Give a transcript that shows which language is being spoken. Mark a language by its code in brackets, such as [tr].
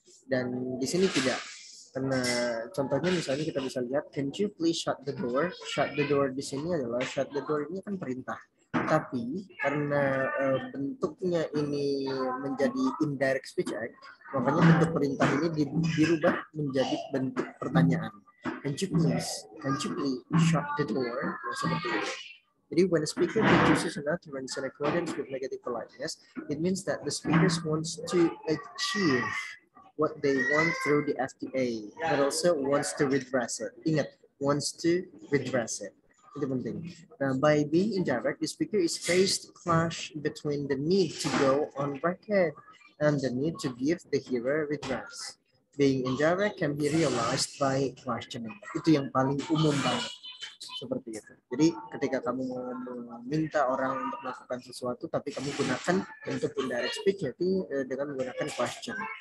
[id] Dan di sini tidak. Karena contohnya misalnya kita bisa lihat, [en] can you please shut the door? [id] Shut the door di sini adalah, shut the door ini kan perintah. Tapi karena bentuknya ini menjadi indirect speech act, makanya bentuk perintah ini dirubah menjadi bentuk pertanyaan. [en] Can you please shut the door? [id] Seperti itu. [en] Jadi, when a speaker produces an utterance in accordance with negative politeness, it means that the speaker wants to achieve what they want through the FTA, but also wants to redress it. Ingat, wants to redress it. [id] Itu penting. [en] Nah, by being indirect, the speaker is faced clash between the need to go on record and the need to give the hearer redress. Being indirect can be realized by questioning. [id] Itu yang paling umum banget. Seperti itu. Jadi ketika kamu meminta orang untuk melakukan sesuatu, tapi kamu gunakan untuk indirect speech, yaitu dengan menggunakan question.